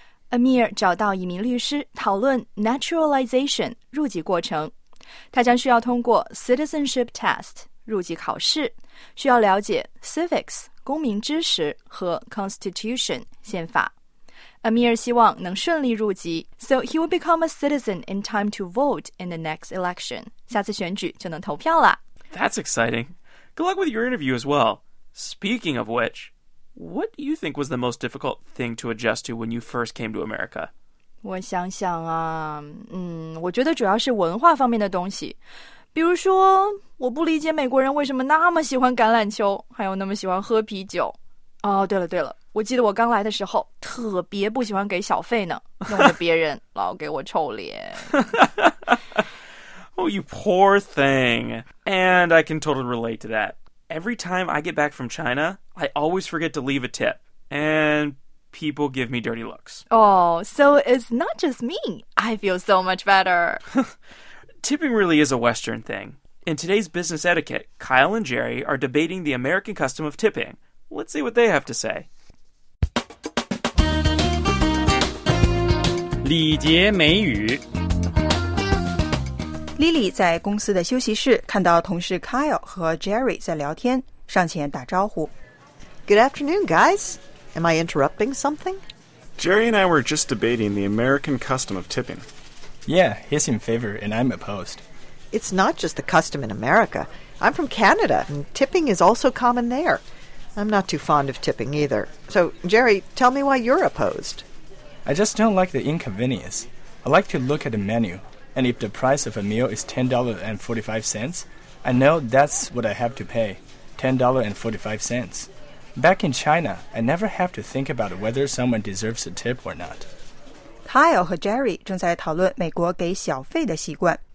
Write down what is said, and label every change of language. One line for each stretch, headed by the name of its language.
Chinese: Amir 找到一名律师讨论 naturalization 入籍过程，他将需要通过 citizenship test。入籍考试，需要了解 civics 公民知识和 constitution 宪法。
English: Amir
Chinese: 希望能顺利入籍
English: ，so he will become a citizen in time to vote in the next election.
Chinese: 下次选举就能投票了。
English: That's exciting. Good luck with your interview as well. Speaking of which, what do you think was the most difficult thing to adjust to when you first came to America?
Chinese: 我想想啊，我觉得主要是文化方面的东西，比如说我不理解美国人为什么那么喜欢橄榄球，还有那么喜欢喝啤酒。哦，对了对了，我记得我刚来的时候特别不喜欢给小费呢，弄得别人老给我臭脸。
English: Oh, you poor thing. And I can totally relate to that. Every time I get back from China, I always forget to leave a tip. And... People give me dirty looks. Oh, so it's not just me. I feel so much better. Tipping really is a Western thing. In today's business etiquette, Kyle and Jerry are debating the American custom of tipping. Let's see what they have to say.
Chinese: 礼节美语 Lily 在公司的休息室看到同事 Kyle 和 Jerry 在聊天，上前打招呼。
English: Good afternoon, guys. Am I interrupting something? Jerry and I were just debating the American custom of tipping. Yeah, he's in favor and I'm opposed. It's not just the custom in America. I'm from Canada and tipping is also common there. I'm not too fond of tipping either. So, Jerry, tell me why you're opposed. I just don't like the inconvenience. I like to look at the menu, and if the price of a meal is $10.45, I know that's what I have to pay, $10.45. Back in China, I never have to think about whether someone deserves a tip or not.
Chinese: Kyle 和 Jerry 正在讨论美国给小费的习惯。